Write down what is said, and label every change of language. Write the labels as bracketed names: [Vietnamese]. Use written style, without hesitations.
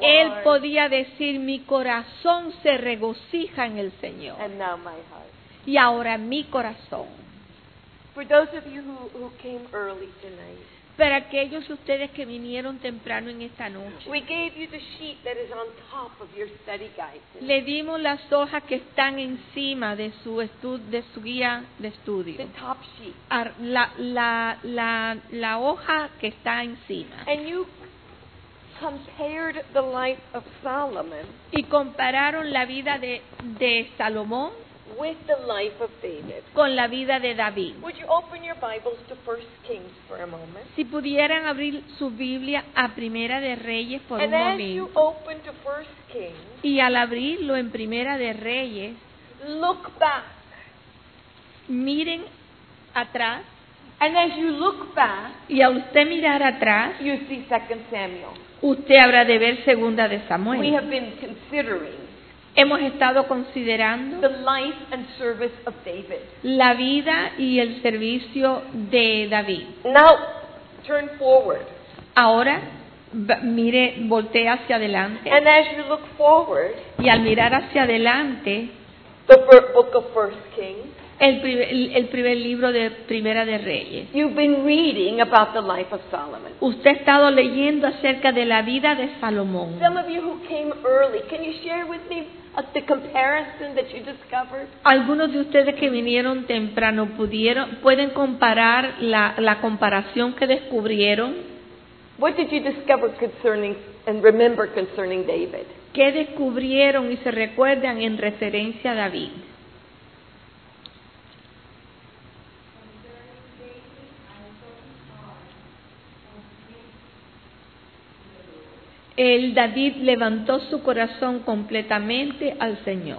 [Spanish] Él podía decir, mi corazón se regocija en el Señor. [English] And now my heart. [Spanish] Y ahora mi corazón. [English] For those of you who came early tonight, [Spanish] para aquellos ustedes que vinieron temprano en esta noche, [English] we gave you the sheet that is on top of your study guide. [Spanish] Le dimos las hojas que están encima de su su guía de estudio. [English] The top sheet. [Spanish] La hoja que está encima. [English] And you compared the life of Solomon. [Spanish] Y compararon la vida de Salomón [English] with the life of David. [Spanish] Con la vida de David. [English] Would you open your Bibles to 1 Kings for a moment? [Spanish] Si pudieran abrir su Biblia a Primera de Reyes por [English] and [Spanish] un momento. [English] And as you open to 1 Kings, [Spanish] y al abrirlo en Primera de Reyes, [English] look back. [Spanish] Miren atrás. [English] And as you look back, [Spanish] y al usted mirar atrás, [English] you see 2 Samuel. [Spanish] Usted habrá de ver Segunda de Samuel. [English] We have been considering. [Spanish] Hemos estado considerando [English] the life and service of David. [Spanish] La vida y el servicio de David. [English] Now, turn forward. [Spanish] Ahora, mire, voltee hacia adelante. [English] And as you look forward, [Spanish] y al mirar hacia adelante, [English] the book of First Kings, [Spanish] el primer libro de Primera de Reyes. [English] You've been reading about the life of Solomon. [Spanish] Usted ha estado leyendo acerca de la vida de Salomón. [English] Some of you who came early, can you share with me the comparison that you discovered? [Spanish] Algunos de ustedes que vinieron temprano pueden comparar la comparación que descubrieron. [English] What did you discover concerning and remember concerning David? [Spanish] ¿Qué descubrieron y se recuerdan en referencia a David? El David levantó su corazón completamente al Señor.